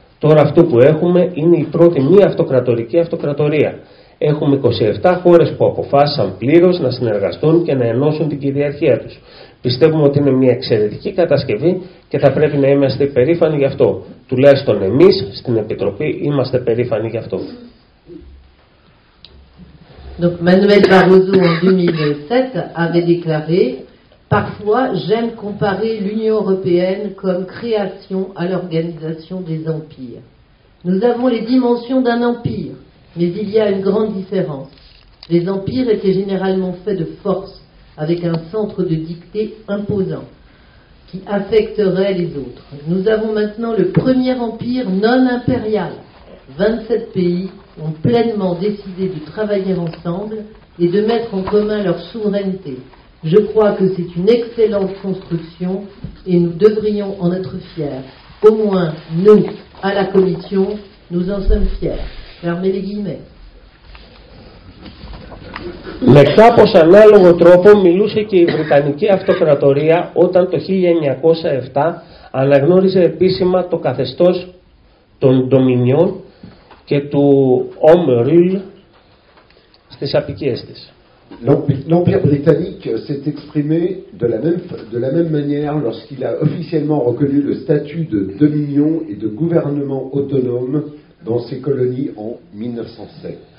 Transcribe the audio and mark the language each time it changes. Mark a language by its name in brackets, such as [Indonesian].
[Greek] Τώρα αυτό που έχουμε είναι η πρώτη μη αυτοκρατορική αυτοκρατορία. Έχουμε 27 χώρες που αποφάσισαν πλήρως να συνεργαστούν και να ενώσουν την κυριαρχία τους. Πιστεύουμε ότι είναι μια εξαιρετική κατασκευή και θα πρέπει να είμαστε περήφανοι γι' αυτό. Τουλάχιστον εμείς στην Επιτροπή είμαστε περήφανοι γι' αυτό. [French] Donc, Manuel Barroso, en 2007, avait déclaré. Parfois, j'aime comparer l'Union européenne comme création à l'organisation des empires. Nous avons les dimensions d'un empire, mais il y a une grande différence. Les empires étaient généralement faits de force, avec un centre de dictée imposant, qui affecterait les autres. Nous avons maintenant le premier empire non impérial. 27 pays ont pleinement décidé de travailler ensemble et de mettre en commun leur souveraineté. Je crois que c'est une excellente construction et nous devrions en être fiers. Au moins, nous, à la Commission, nous en sommes fiers. Fermez les guillemets. [Greek] Με κάπως ανάλογο τρόπο μιλούσε και η Βρετανική Αυτοκρατορία όταν το 1907 αναγνώριζε επίσημα το καθεστώς των Dominion και του Home Rule στις απικίες της. [French] L'Empire britannique s'est exprimé de la même manière lorsqu'il a officiellement reconnu le statut de dominion et de gouvernement autonome dans ses colonies en 1907.